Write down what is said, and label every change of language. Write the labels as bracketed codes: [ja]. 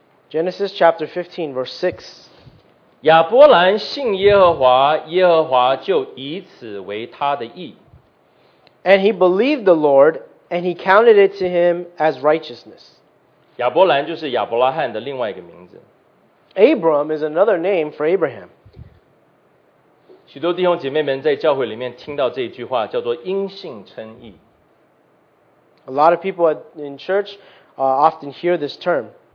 [en] Genesis chapter 15, verse 6. [zh] 亚伯兰信耶和华，耶和华就以此为他的义。 [en] And he believed the Lord, and he counted it to him as righteousness. [zh] 亚伯兰就是亚伯拉罕的另外一个名字。 [en] Abram is another name for Abraham. [zh] 许多弟兄姐妹们在教会里面听到这句话，叫做因信称义。 [en] A lot of people in church often hear this term.